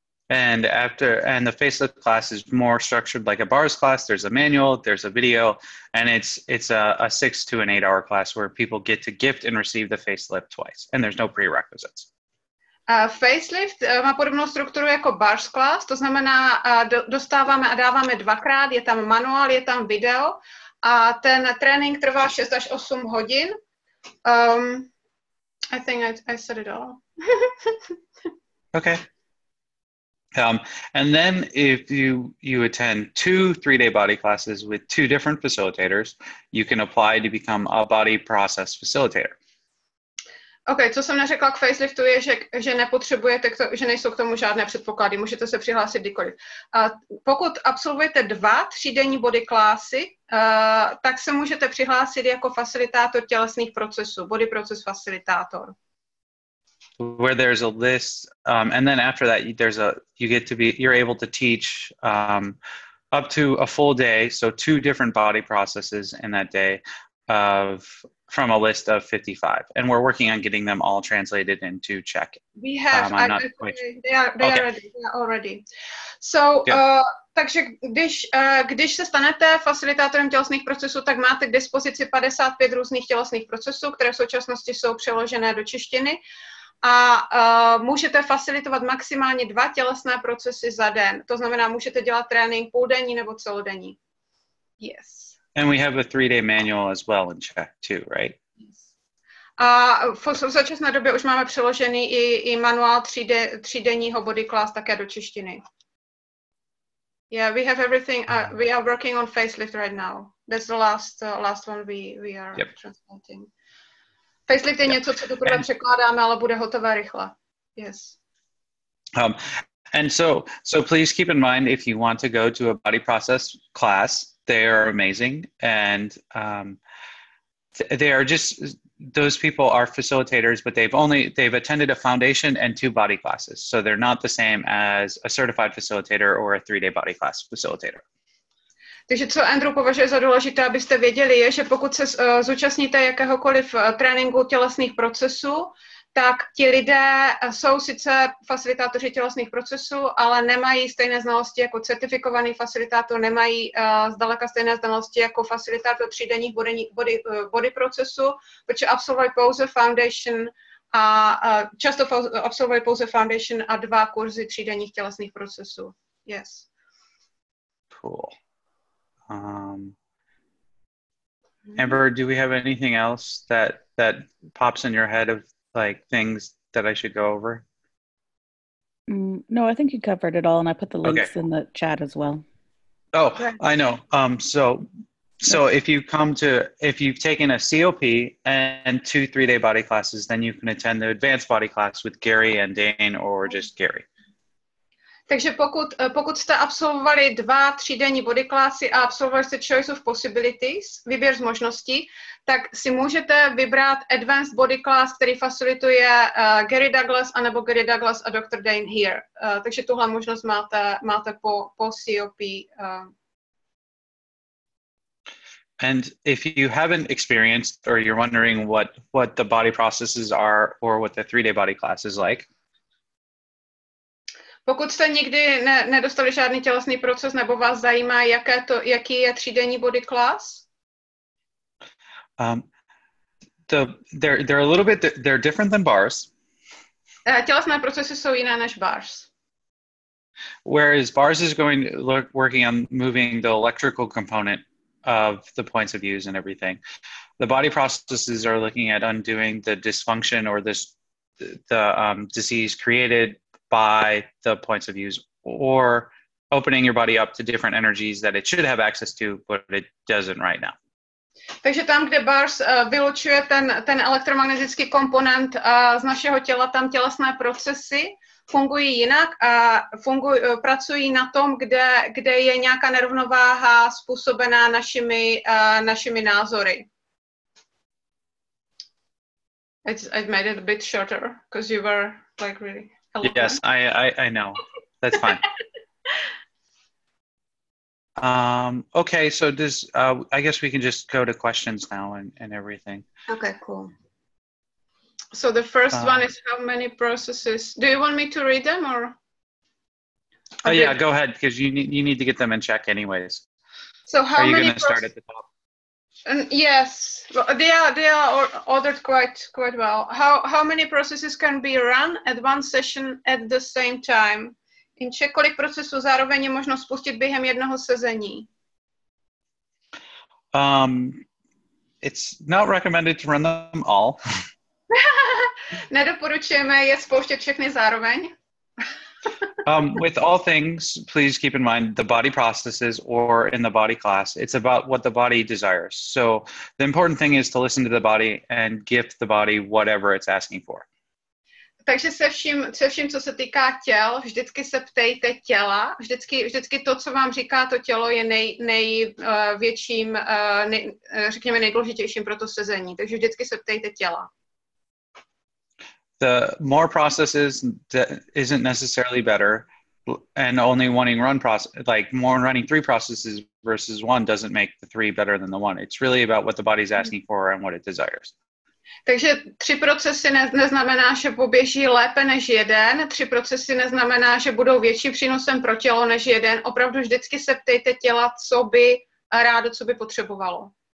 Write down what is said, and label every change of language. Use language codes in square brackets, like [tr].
[en] And the facelift class is more structured like a bars class. There's a manual, there's a video, and it's a 6 to 8 hour class where people get to gift and receive the facelift twice. And there's no prerequisites. [cs] Facelift má podobnou strukturu jako bars class, to znamená, dostáváme a dáváme dvakrát, je tam manuál, je tam video a ten trénink trvá 6 až 8 hodin. [en] I think I said it all. Okay. And then if you attend 2 3-day body classes with 2 different facilitators, you can apply to become a body process facilitator. [cs] OK, co jsem neřekla k faceliftu je, že nepotřebujete, že nejsou k tomu žádné předpoklady, můžete se přihlásit kdykoliv. Pokud absolvujete 2 3-denní body klásy, tak se můžete přihlásit jako facilitátor tělesných procesů, body process facilitátor. [en] Where there's a list, and then after that, you're able to teach up to a full day, so 2 different body processes in that day of... from a list of 55, and we're working on getting them all translated into Czech. We have, they are already. So, yeah. [cs] Takže když se stanete facilitátorem tělesných procesů, tak máte k dispozici 55 různých tělesných procesů, které v současnosti jsou přeložené do češtiny, a můžete facilitovat maximálně 2 tělesné procesy za den. To znamená, můžete dělat trénink půldenní nebo celodenní. [en] Yes. And we have a 3-day manual as well in Czech too, right? [cs] V současné době už máme přeložený i manuál 3-denního body class také do češtiny. [en] Yeah, we have everything. We are working on facelift right now. That's the last one we are translating. [cs] Facelift je něco, co teprve překládáme, ale bude hotové rychle. [en] Yes. And so please keep in mind if you want to go to a body process class, they are amazing, and they are just, those people are facilitators, but they've attended a foundation and 2 body classes, so they're not the same as a certified facilitator or a 3-day body class facilitator. [cs] Takže co Andrew považuje za důležité, abyste věděli, je, že pokud se zúčastníte jakéhokoliv tréninku tělesných procesů, tak ti lidé jsou sice facilitátoři tělesných procesů, ale nemají stejné znalosti jako certifikovaný facilitátor, nemají zdaleka stejné znalosti jako facilitátor 3-denních body procesu, protože absolvovali pouze foundation a často absolvovali pouze foundation a 2 kurzy 3-denních tělesných procesů. [en] Yes. Cool. Amber, do we have anything else that pops in your head of like things that I should go over? No, I think you covered it all, and I put the links in the chat as well. Oh, I know. So if you come to, if you've taken a COP and 2 3-day body classes, then you can attend the advanced body class with Gary and Dane, or just Gary. [cs] Takže pokud jste absolvovali 2 3-denní body klasy a absolvovali jste choice of possibilities, výběr z možností, tak si můžete vybrat advanced body class, který facilituje Gary Douglas, anebo Gary Douglas a Dr. Dane here. Takže tuhle možnost máte po COP. [en] And if you haven't experienced or you're wondering what the body processes are or what the 3-day body class is like, [cs] pokud jste nikdy nedostali žádný tělesný proces, nebo vás zajímá, jaký je 3-denní body class? [en] They're a little bit, they're different than bars. [cs] Tělesné procesy jsou jiné než bars. [en] Whereas bars is going working on moving the electrical component of the points of views and everything. The body processes are looking at undoing the dysfunction or the disease created by the points of views, or opening your body up to different energies that it should have access to, but it doesn't right now. [cs] Takže tam, kde bars vylučuje ten elektromagnetický komponent z našeho těla, tam tělesné procesy fungují jinak a pracují na tom, kde je nějaká nerovnováha způsobená našimi názory. [en] I made it a bit shorter because you were like really... Yes, I know. That's fine. Okay, so I guess we can just go to questions now and everything. Okay, cool. So the first one is how many processes? Do you want me to read them or? Oh yeah, go ahead, because you need to get them in check anyways. So how are you going to start at the top? Yes, they are ordered quite well. How many processes can be run at one session at the same time? In Czech, [cs] kolik procesů zároveň je možno spustit během jednoho sezení? [en] It's not recommended to run them all. [cs] Nedoporučujeme je spouštět všechny zároveň. [en] With all things, please keep in mind the body processes or in the body class, it's about what the body desires. So the important thing is to listen to the body and give the body whatever it's asking for. [cs] Takže se vším, co se týká těl, vždycky se ptejte těla. Vždycky to, co vám říká to tělo, je nejdůležitějším pro to sezení. Takže vždycky se ptejte těla. The more processes isn't necessarily better, and only wanting run process, like more running three processes versus one doesn't make the three better than the one. It's really about what the body's asking for and what it desires. Takže tři procesy neznamená, že poběží lépe než jeden. Tři procesy neznamená, že budou větší přínosem pro tělo než jeden. Opravdu vždycky se ptejte těla, co by rádo, co by potřebovalo.